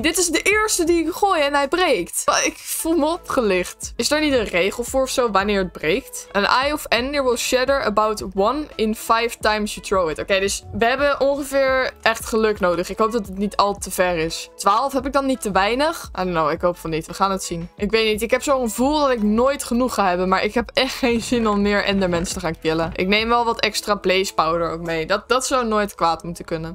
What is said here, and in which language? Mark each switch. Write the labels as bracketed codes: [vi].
[nl] Dit is de eerste die ik gooi en hij breekt. Ik voel me opgelicht. Is daar niet een regel voor of zo wanneer het breekt? [en] An eye of ender will shatter about 1 in 5 times you throw it. [nl] Oké, dus we hebben ongeveer echt geluk nodig. Ik hoop dat het niet al te ver is. 12 heb ik dan niet te weinig? I don't know, ik hoop van niet. We gaan het zien. Ik weet niet, ik heb zo'n gevoel dat ik nooit genoeg ga hebben. Maar ik heb echt geen zin om meer endermens te gaan killen. Ik neem wel wat extra blaze powder ook mee. Dat zou nooit kwaad moeten kunnen.